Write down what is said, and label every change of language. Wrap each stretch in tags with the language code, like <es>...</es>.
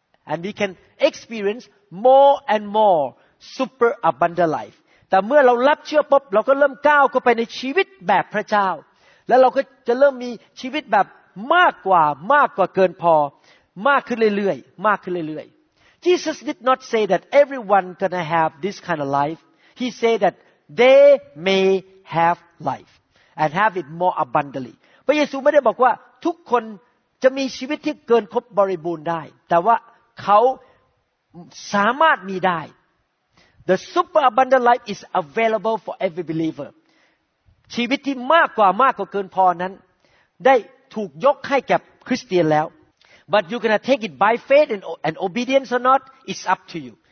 <en>and we can experience more and more super abundant life</en> <th>แต่เมื่อเรารับเชื่อปุ๊บเราก็เริ่มก้าวเข้าไปในชีวิตแบบพระเจ้าแล้วเราก็จะเริ่มมีชีวิตแบบมากกว่าเกินพอมากขึ้นเรื่อยๆ</th> <en>Jesus did not say that everyone gonna have this kind of life. He said that they may have life and have it more abundantly.</en> <th>พระเยซูไม่ได้บอกว่าทุกคนจะมีชีวิตที่เกินครบบริบูรณ์ได้แต่ว่าเขาสามารถมีได้</th> <en>The super abundant life is available for every believer.</en> <th>ชีวิตที่มากกว่าเกินพอนั้นได้ถูกยกให้กับคริสเตียนแล้ว</th> <en>But you're going to take it by faith and obedience or not, it's up to you.</en>